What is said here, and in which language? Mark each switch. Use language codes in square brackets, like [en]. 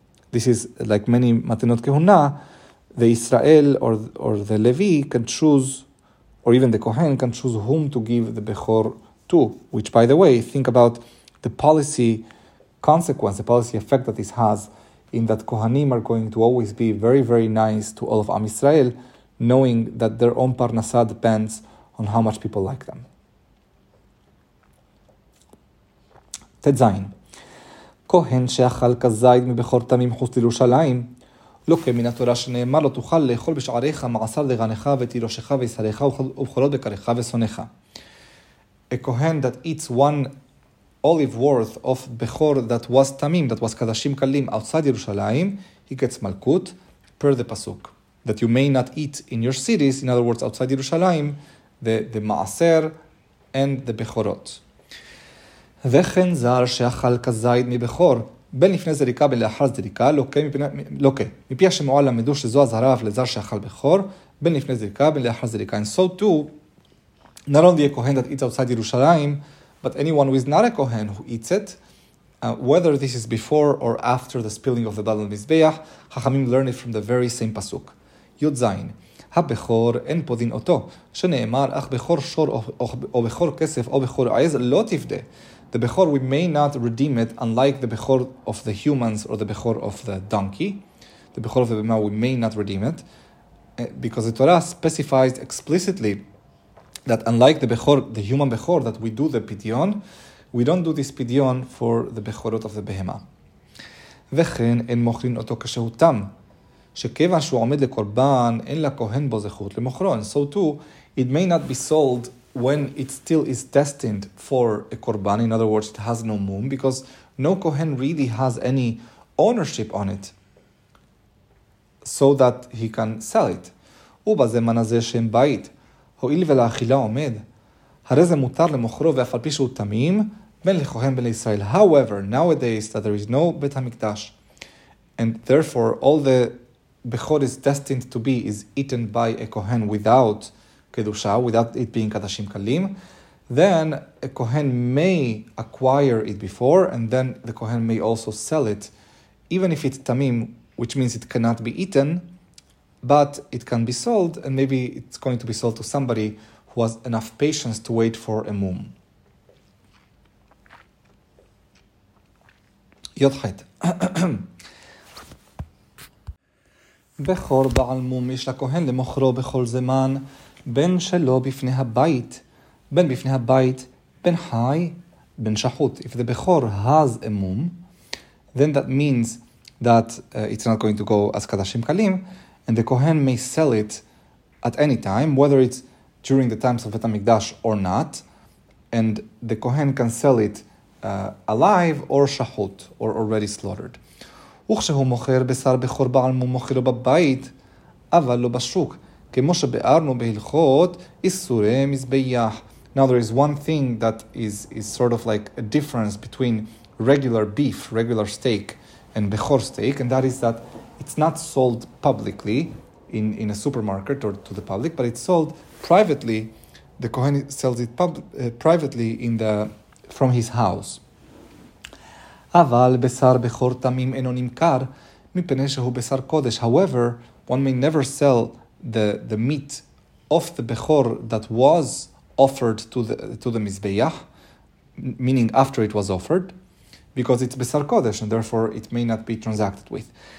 [en] This is like many Matanot Kehuna, the Israel or the Levi can choose, or even the Kohen can choose whom to give the Bechor to, which, by the way, think about the policy consequence, the policy effect that this has, in that Kohanim are going to always be very, very nice to all of Am Israel, knowing that their own Parnasa depends on how much people like them. [he] תזיין. כהן שאכל כזית מבחור תמים חוץ לירושלים, לוקה מן התורה שנאמר לו תוכל לאכול בשעריך מעשר לרנך ותירושך וישריך ובחורות בקריך ושונך. [en] A Kohen that eats one olive worth of בחור that was תמים, that was קדשים קלים outside ירושלים, he gets מלכות per the פסוק. That you may not eat in your cities, in other words, outside ירושלים, the מעשר and the בחורות. [he] וכן זר שאכל כזית מבחור, בין לפני זריקה בין לאחר זריקה, לוקה, מפי השמועל למדו שזו הזרב לזר שאכל בחור, בין לפני זריקה בין לאחר זריקה. [en] And so too, not only a Kohen that eats outside Yerushalayim, but anyone who is not a Kohen who eats it, whether this is before or after the spilling of the blood on the Mizbeach, Chachamim learn it from the very same pasuk. [he] י' זין, הבכור אין פודין אותו, שנאמר אך בכור שור או בכור כסף או בכור עז לא תפדה. [en] The Bechor, we may not redeem it, unlike the Bechor of the humans or the Bechor of the donkey. The Bechor of the Bema, we may not redeem it. Because the Torah specifies explicitly that unlike the Bechor, the human Bechor, that we do the Pidyon, we don't do this Pidyon for the Bechorot of the Behema. [he] וכן אין מוכרין אותו כשהותם, שכיוון שהוא עומד לקורבן, אין לכהן בו זכות למוכרון. [en] So too, it may not be sold when it still is destined for a korban, in other words, it has no mum, because no Kohen really has any ownership on it so that he can sell it. [he] ובזמן הזה שם בית, הועיל ולאכילה עומד, הרי זה מותר למוכרו ואף על פי שהוא תמים, בין לכהן בין לישראל. [en] However, nowadays that there is no בית המקדש, And therefore, all the Bechor is destined to be is eaten by a Kohen without Kedusha, without it being Kadashim Kalim, then a Kohen may acquire it before, and then the Kohen may also sell it, even if it's Tamim, which means it cannot be eaten, but it can be sold, and maybe it's going to be sold to somebody who has enough patience to wait for a mum. [he] Yodchet. בכור בעל מום יש לכהן למוכרו בכל זמן, בין שלא בפני הבית, בין בפני הבית, בין חי, בין שחוט. [en] If the בכור has a mum, then that means that it's not going to go as kadashim kalim, and the kohen may sell it at any time, whether it's during the times of Bet HaMikdash or not, and the kohen can sell it alive or shahut, or already slaughtered. [he] וכשהוא מוכר בשר בכור בעל מום מוכרו בבית, אבל לא בשוק, כמו שבארנו בהלכות, איסורי מזבח. [en] Now there is one thing that is sort of like a difference between regular beef, regular steak, and bechor steak, and that is that it's not sold publicly in a supermarket or to the public, but it's sold privately. The Kohen sells it privately from his house. [he] אבל בשר בכור תמים אינו נמכר, מפני שהוא בשר קודש. [en] However, one may never sell the meat of the bechor that was offered to the mizbeach, meaning after it was offered, because it's בשר קודש, and therefore it may not be transacted with.